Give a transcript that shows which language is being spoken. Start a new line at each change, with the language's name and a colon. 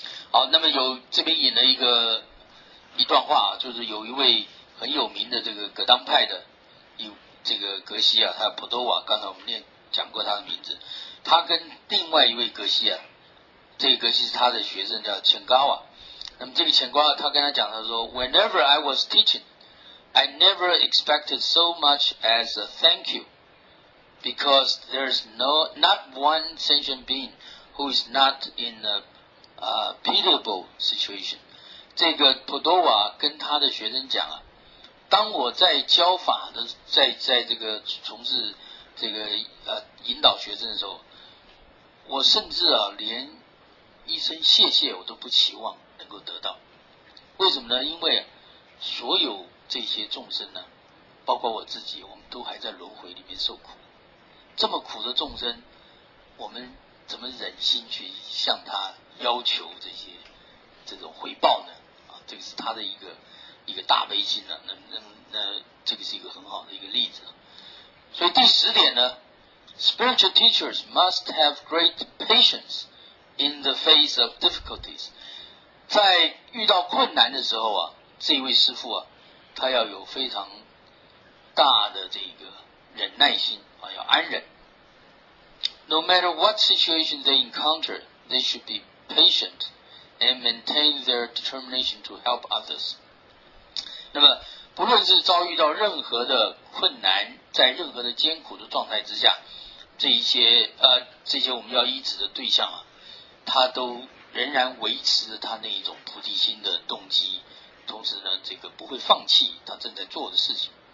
Chinese: 好，那么有这边引了一段话，就是有一位很有名的这个格当派的这个格西啊，他普多瓦，刚才我们讲过他的名字，他跟另外一位格西啊，这个格西是他的学生，叫钱高瓦。那么这个钱高瓦他跟他讲，他说
English: Whenever I was teaching I never expected so much as a thank you because there's not one sentient being who is not in a pitiable situation。
Chinese: 这个普多瓦跟他的学生讲啊，当我在教法的，在这个从事这个引导学生的时候，我甚至啊连一声谢谢我都不期望能够得到。为什么呢？因为所有这些众生呢，包括我自己，我们都还在轮回里面受苦。这么苦的众生，我们怎么忍心去向他要求这种回报呢？啊，这个是他的一个大悲心呢、啊，那这个是一个很好的一个例子。所以第十点呢
English: ，spiritual teachers must have great patience in the face of difficulties。
Chinese: 在遇到困难的时候啊，这位师父啊，他要有非常大的这个忍耐心啊，要安忍。
English: No matter what situation they encounter, they should be patient and maintain their determination to help others。
Chinese: 那么，不论是遭遇到任何的困难，在任何的艰苦的状态之下，这些我们要医治的对象啊，他都仍然维持着他那一种菩提心的动机，同时呢，这个不会放弃他正在做的事情。